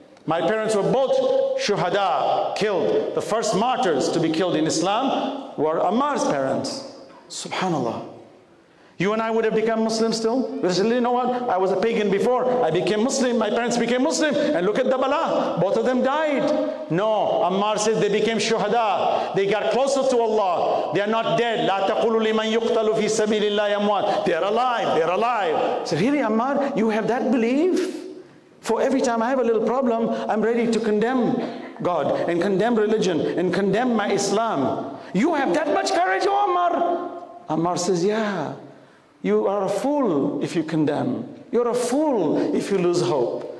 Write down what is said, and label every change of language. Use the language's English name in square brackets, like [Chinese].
[English] My parents were both shuhada, killed. The first martyrs to be killed in Islam were Ammar's parents. Subhanallah. You and I would have become Muslim still? You say, you know what? I was a pagan before. I became Muslim. My parents became Muslim. And look at the bala. Both of them died. No. Ammar says they became shuhada. They got closer to Allah. They are not dead. [Arabic] لا تقولوا لمن يقتل في سبيل الله يموت. [English] They are alive. So really, Ammar, you have that belief? For every time I have a little problem, I'm ready to condemn God and condemn religion and condemn my Islam. You have that much courage, Ammar? Ammar says, yeah. You are a fool if you condemn. You're a fool if you lose hope.